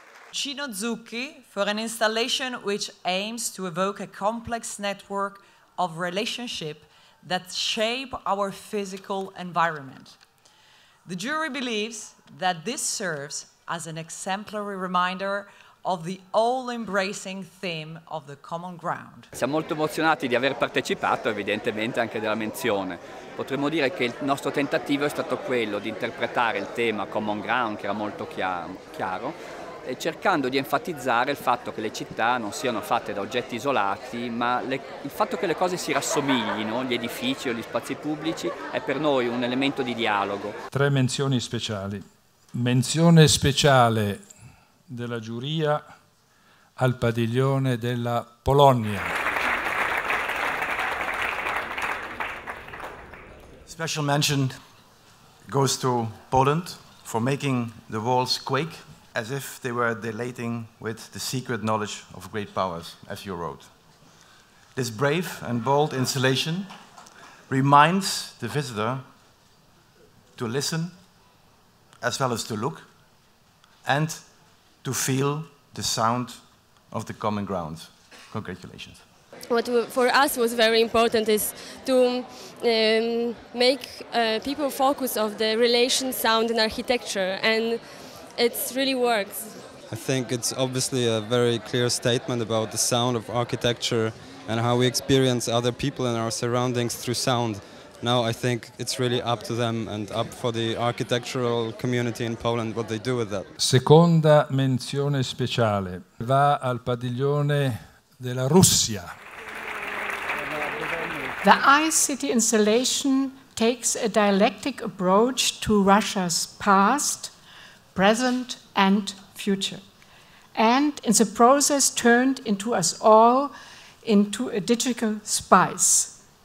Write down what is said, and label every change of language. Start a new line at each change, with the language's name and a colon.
English: Cino Zucchi for an installation which aims to evoke a complex network of relationships that shape our physical environment. The jury believes that this serves as an exemplary reminder of the all-embracing theme of the common ground.
Italian: Siamo molto emozionati di aver partecipato, evidentemente anche della menzione. Potremmo dire che il nostro tentativo è stato quello di interpretare il tema common ground, che era molto chiaro, cercando di enfatizzare il fatto che le città non siano fatte da oggetti isolati, ma il fatto che le cose si rassomiglino, gli edifici o gli spazi pubblici, è per noi un elemento di dialogo. Tre menzioni speciali. Menzione speciale della giuria al padiglione della Polonia.
English: Special mention goes to Poland for making the walls quake as if they were dilating with the secret knowledge of great powers, as you wrote. This brave and bold installation reminds the visitor to listen as well as to look and to feel the sound of the common ground. Congratulations. What for us was very important is to make people focus on the relation sound and architecture, and it really works. I think it's obviously a very clear statement about the sound of architecture and how we experience other people and our surroundings through sound. Now I think it's really up to them and up for the architectural community in Poland what they do with that.
Italian: Seconda menzione speciale va al padiglione della Russia.
English: The iCity installation takes a dialectic approach to Russia's past, present and future, and in the process turned into us all into a digital spice.